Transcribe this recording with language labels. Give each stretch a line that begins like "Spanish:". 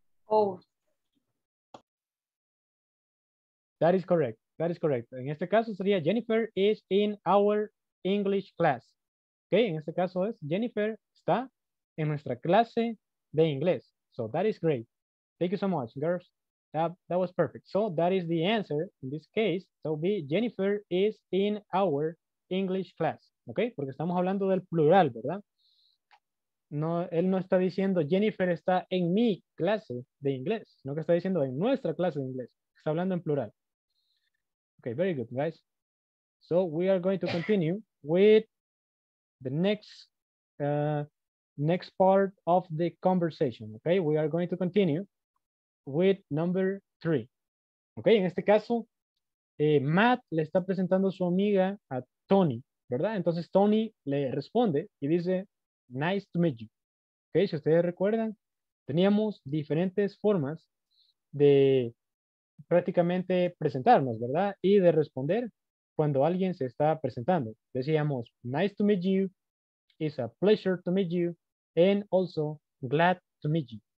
English: Our. That is correct. That is correct.
Spanish: En este caso sería
English: Jennifer is in our English class.
Spanish: Okay, en este caso es Jennifer está en nuestra clase de inglés.
English: So that is great. Thank you so much, girls. That was perfect. So that is the answer in this case. So be Jennifer is in our English class.
Spanish: Okay, porque estamos hablando del plural, ¿verdad? No, él no está diciendo Jennifer está en mi clase de inglés, sino que está diciendo en nuestra clase de inglés. Está hablando en plural. Okay,
English: very good, guys. So we are going to continue with the next part of the conversation, okay? We are going to continue with number three.
Spanish: Okay, en este caso, Matt le está presentando a su amiga a Tony, ¿verdad? Entonces Tony le responde y dice,
English: nice to meet you.
Spanish: Okay, si ustedes recuerdan, teníamos diferentes formas de prácticamente presentarnos, ¿verdad? Y de responder cuando alguien se está presentando. Decíamos,
English: nice to meet you, it's a pleasure to meet you, and also glad to meet you.